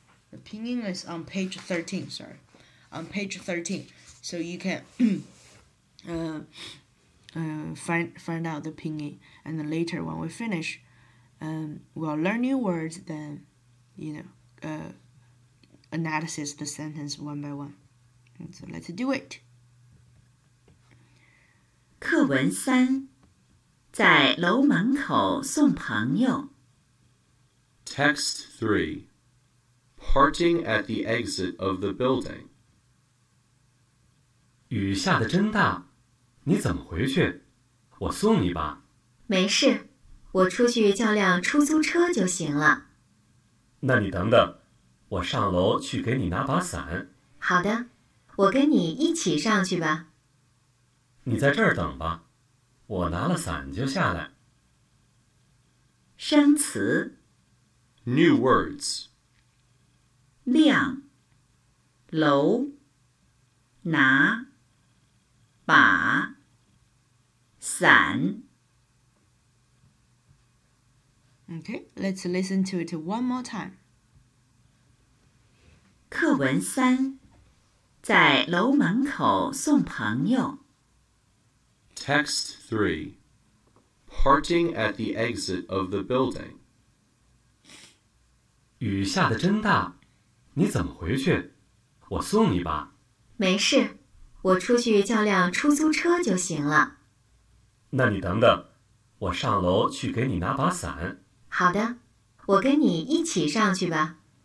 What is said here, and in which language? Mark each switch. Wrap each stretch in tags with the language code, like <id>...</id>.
<en>The pinyin is on page 13, sorry. On page 13, so you can find out the pinyin, and then later when we finish, we'll learn new words, then, you know, analysis the sentence one by one. And so let's do it.</en> <zh>课文三，在楼门口送朋友。</zh> <en>Text 3, parting at the exit of the building.</en> <zh>雨下得真大，你怎么回去？我送你吧。没事，我出去叫辆出租车就行了。那你等等，我上楼去给你拿把伞。好的，我跟你一起上去吧。你在这儿等吧，我拿了伞就下来。生词。</zh> <en>New words.</en> <zh>亮。楼。拿。把伞。</zh> <en>Okay, let's listen to it one more time.</en> <zh>课文三，在楼门口送朋友。</zh> <en>Text 3, parting at the exit of the building.</en> <zh>雨下得真大，你怎么回去？我送你吧。没事，我出去叫辆出租车就行了。那你等等，我上楼去给你拿把伞。好的，我跟你一起上去吧。</zh>